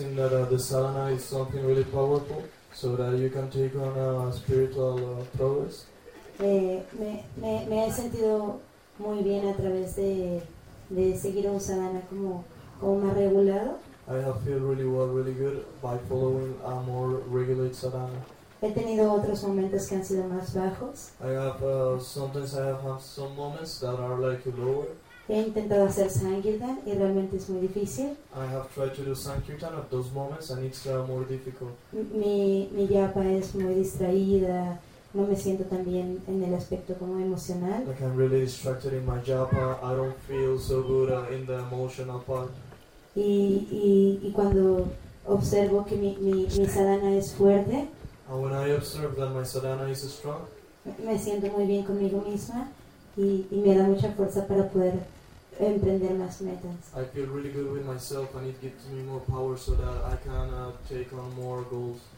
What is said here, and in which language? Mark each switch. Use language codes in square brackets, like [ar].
[en] Yeah, I have seen that the sadhana is something really powerful, so that you can take on a spiritual progress. [es] Me he sentido muy bien a través de seguir un sadhana como más regulado. [en] I have felt really well, really good by following a more regulated sadhana. [es] He tenido otros momentos que han sido más bajos. [en] I have some moments that are like lower. [es] He intentado hacer Sankirtan y realmente es muy difícil. [en] I have tried to do Sankirtan at those moments and it's more difficult. [es] Mi yapa es muy distraída, no me siento tan bien en el aspecto como emocional. [en] Like I'm really distracted in my yapa, I don't feel so good in the emotional part. [es] Y cuando observo que mi sadhana es fuerte, [en] and when I observe that my sadhana is strong, [es] me siento muy bien conmigo misma. Y me da mucha fuerza para poder emprender más metas. [en] I feel really good with myself and it gives me more power so that I can take on more goals.